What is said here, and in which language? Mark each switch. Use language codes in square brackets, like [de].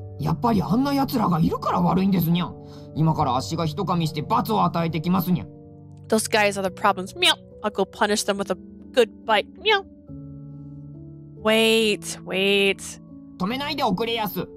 [ja] やっぱりあんな奴らがいるから悪いんですにゃ。今から足が人噛みして罰を与えてきますにゃ。 [en] Those guys are the problems. Meow. I'll go punish them with a good bite. Meow. Wait. [ja] 止めないでおくれやす。